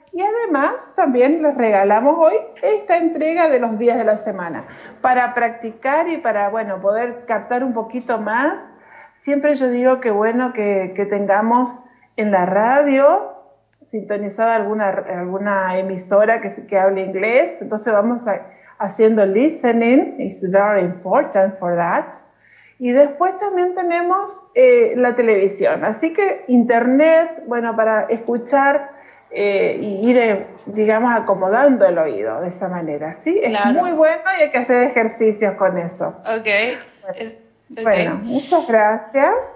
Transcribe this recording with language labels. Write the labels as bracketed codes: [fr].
[es] Y además, también les regalamos hoy esta entrega de los días de la semana para practicar y para, bueno, poder captar un poquito más. Siempre yo digo que bueno que tengamos en la radio sintonizada alguna emisora que hable inglés. Entonces vamos haciendo listening, [en] it's very important for that. [es] Y después también tenemos la televisión. Así que internet, bueno, para escuchar y ir, digamos, acomodando el oído de esa manera. Sí, claro. Es muy bueno y hay que hacer ejercicios con eso. Ok. Okay. Bueno, muchas gracias.